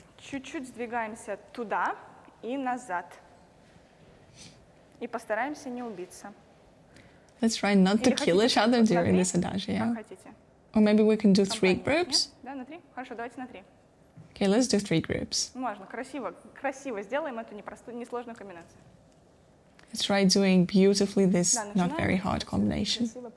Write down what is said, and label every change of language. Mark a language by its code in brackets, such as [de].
[ru] Чуть-чуть сдвигаемся туда и назад. И постараемся не убиться. [en] Let's try not to kill each other during this adagio. Or maybe we can do three groups? [ru] Да, на три. Хорошо, давайте на три. [en] Okay, let's do three groups. [ru] Можно, красиво, красиво сделаем эту непростую, несложную комбинацию. [en] Let's try doing beautifully this not very hard combination.